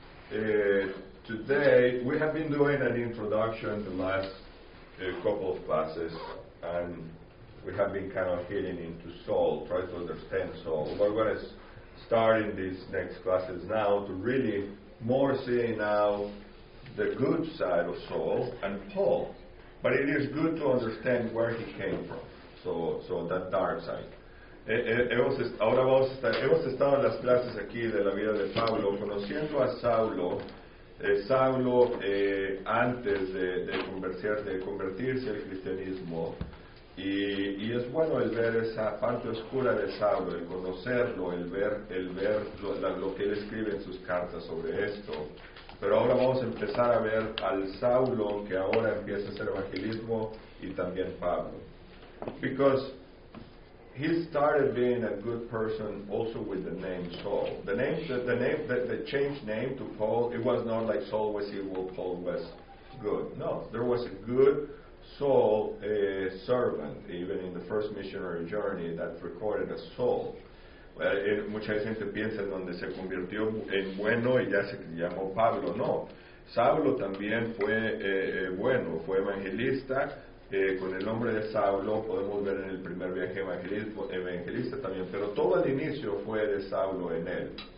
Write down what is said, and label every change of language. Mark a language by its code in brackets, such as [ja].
[en] Today we have been doing an introduction the last couple of classes, and we have been kind of getting into Saul, trying to understand Saul. We're going to start in these next classes now to really more see now the good side of Saul and Paul. But it is good to understand where he came from, so that dark side. [es] Hemos estado en las clases aquí de la vida de Pablo, conociendo a Saulo. Saulo, antes de convertirse al cristianismo, y es bueno el ver esa parte oscura de Saulo, el conocerlo, el ver lo que él escribe en sus cartas sobre esto. Pero ahora vamos a empezar a ver al Saulo que ahora empieza a hacer evangelismo, y también Pablo, [en] because he started being a good person also with the name Saul. The change name to Paul, it was not like Saul was evil, Paul was good. No, there was a good Saul, a servant, even in the first missionary journey that's recorded as Saul. [es] Mucha gente piensa donde se convirtió en bueno y ya se llamó Pablo. No, Saulo también fue bueno, fue evangelista. Con el nombre de Saulo podemos ver en el primer viaje evangelista también, pero todo el inicio fue de Saulo en él.